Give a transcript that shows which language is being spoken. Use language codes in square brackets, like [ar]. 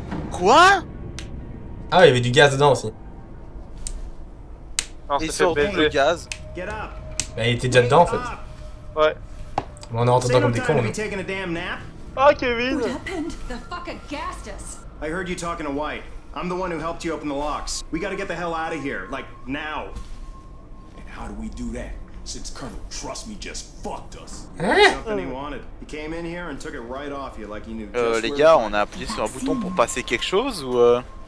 [fr] Quoi? Ah, il y avait du gaz dedans aussi. Il sort d'où le gaz? Bah, il était déjà dedans en fait. Ouais. Mais on est rentré dedans comme des cons, mais. [en] Ah, Kevin! What happened? The fucker gassed us. I heard you talking to White. I'm the one who helped you open the locks. We gotta get the hell out of here, like now. And how do we do that? Since Colonel, trust me, just fucked us. Something he wanted. He came in here and took it right off you, like he knew. [fr] Les gars, on a appuyé sur un bouton pour passer quelque chose ou